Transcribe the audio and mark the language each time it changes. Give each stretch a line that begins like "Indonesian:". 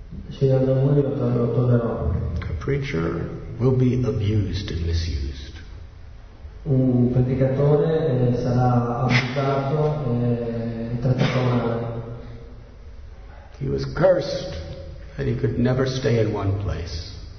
Italian: Sri Narada Muni lo tollerò.
English: A preacher will be abused and misused.
Italian: Un predicatore sarà abusato e trattato male.
English: He was cursed that he could never stay in one place.